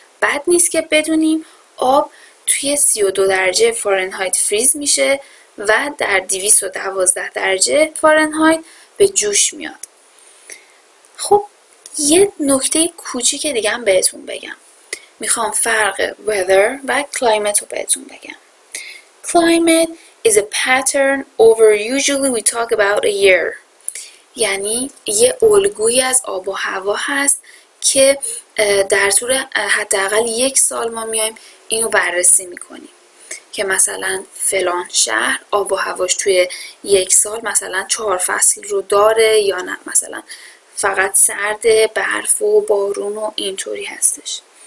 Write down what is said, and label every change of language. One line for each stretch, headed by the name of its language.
Persian: بد نیست که بدونیم آب توی 32 درجه فارنهایت فریز میشه و در 212 درجه فارنهایت به جوش میاد. خب یه نکته کوچیک دیگه هم بهتون بگم. میخوام فرق weather و climate رو بهتون بگم.
English: Climate is a pattern over usually we talk about a year.
Persian: یعنی یه الگوی از آب و هوا هست که در طول حداقل یک سال ما میایم اینو بررسی میکنیم. که مثلا فلان شهر آب و هواش توی یک سال مثلا 4 فصل رو داره یا نه، مثلا فقط سرد، برف و بارون و اینطوری هستش.